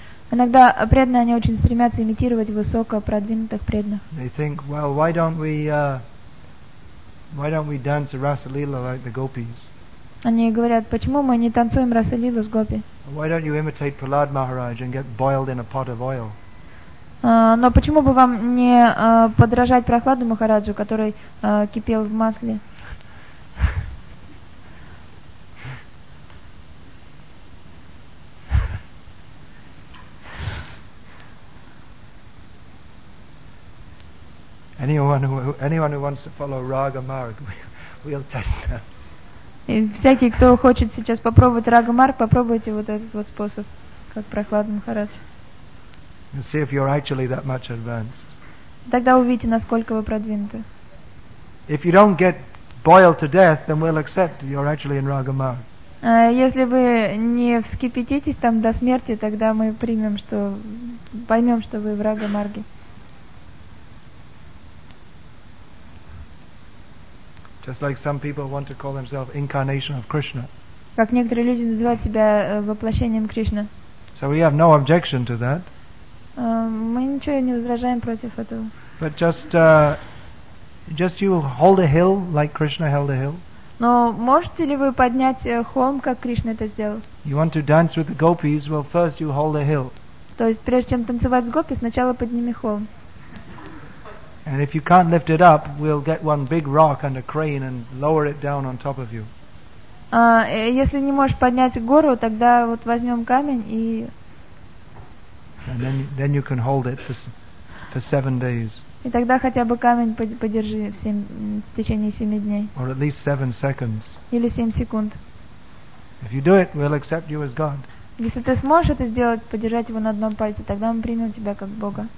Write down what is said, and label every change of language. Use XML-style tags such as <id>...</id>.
<ru>Иногда преданные, они очень стремятся имитировать высоко продвинутых преданных.</ru> <en>They think, well, why don't we dance a Rasa-лила like the gopis?</en> <ru>Они говорят, почему мы не танцуем Rasa-лилу с гопи?</ru> <en>Why don't you imitate Prahlad Maharaj and get boiled in a pot of oil?</en> <ru>Но почему бы вам не подражать Прохладу Махараджу, который кипел в масле?</ru> <en>Anyone who wants to follow Raga Marg, we'll test them.</en> <ru>И всякий, кто хочет сейчас попробовать Рага Марг, попробуйте вот этот вот способ, как Прохладу Махарадж.</ru> <en>And see if you're actually that much advanced.</en> <ru>Тогда увидите, насколько вы продвинуты.</ru> <en>If you don't get boiled to death, then we'll accept you're actually in Raga Marg.</en> <ru>Если вы не вскипятитесь там до смерти, тогда мы примем, что поймем, что вы в Рага Марге.</ru> <en>Just like some people want to call themselves incarnation of Krishna.</en> <ru>Как некоторые люди называют себя воплощением Кришны.</ru> <en>So we have no objection to that.</en> <ru>Мы ничего не возражаем против этого.</ru> <en>But just you hold a hill like Krishna held a hill.</en> <ru>Но можете ли вы поднять холм, как Кришна это сделал?</ru> <en>You want to dance with the gopis? Well, first you hold a hill.</en> <ru>То есть прежде чем танцевать с гопи, сначала подними холм.</ru> <en>And if you can't lift it up, we'll get one big rock and a crane and lower it down on top of you.</en> <ru>Если не можешь поднять гору, тогда вот возьмем камень и.</ru> <en>And then you can hold it for 7 days.</en> <ru>И тогда хотя бы камень подержи в течение 7 дней.</ru> <en>Or at least 7 seconds.</en> <ru>Или 7 секунд.</ru> <en>If you do it, we'll accept you as God.</en> <ru>Если ты сможешь это сделать, подержать его на одном пальце, тогда мы примем тебя как Бога.</ru>